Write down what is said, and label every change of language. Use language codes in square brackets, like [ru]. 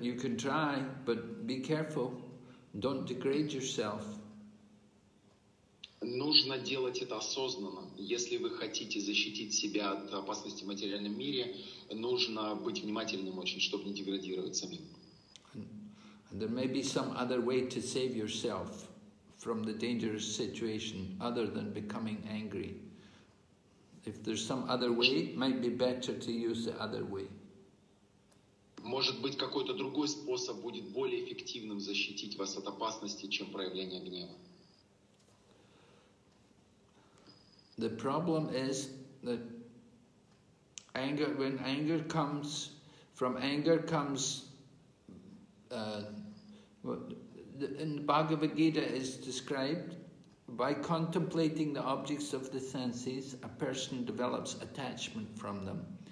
[en] You can try, but be careful. Don't degrade yourself. [ru] Нужно делать это осознанно. Если вы хотите защитить себя от опасности в материальном мире, нужно быть внимательным очень, чтобы не деградировать самим. [en] And there may be some other way to save yourself from the dangerous situation, other than becoming angry. If there's some other way, it might be better to use the other way. [ru] Может быть, какой-то другой способ будет более эффективным защитить вас от опасности, чем проявление гнева. [en] The problem is that anger, when anger comes, from anger comes, in Bhagavad Gita is described, by contemplating the objects of the senses, a person develops attachment from them.